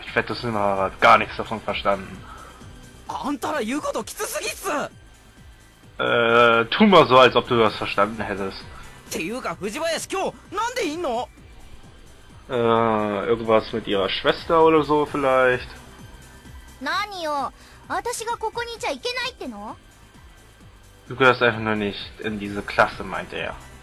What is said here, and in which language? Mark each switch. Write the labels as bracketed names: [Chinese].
[German] Ich wette, Sunohara hat gar nichts davon verstanden. [Japanese] あんたら言うことキツすぎっす! [German] Tu mal so, als ob du das verstanden hättest. [Japanese] ていうか、藤林今日なんでいんの? [German] Irgendwas mit ihrer Schwester oder so vielleicht? [Japanese] 何よ?私がここにいちゃいけないっての? [German] Du gehörst einfach nur nicht in diese Klasse, meint er.